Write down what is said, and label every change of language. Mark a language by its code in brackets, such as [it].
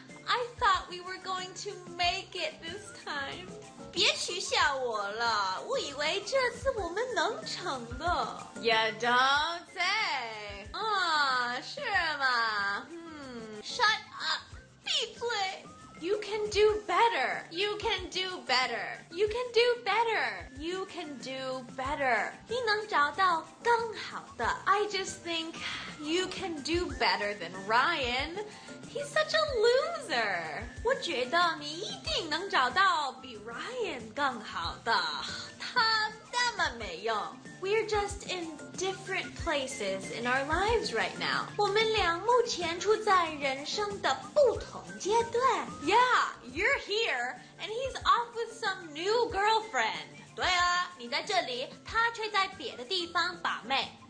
[en] I thought we were going to make it this time. [zh] 别取笑我了，我以为这次我们能成的。 [en] You don't say. [zh] 是吗？ [en] Shut up. [zh] 闭嘴。 [en] You can do better. You can do better. You can do better. You can do better. [zh] 你能找到更好的。 [en] I just think you can do better than Ryan. He's such a loser. [zh] 我觉得你一定能找到比 Ryan 更好的。他那么没用。 [en] We're just in different places in our lives right now. [zh] 我们俩目前处在人生的不同阶段。 [en] Yeah, you're here, and he's off with some new girlfriend. [zh] 对啊，你在这里，他却在别的地方把妹。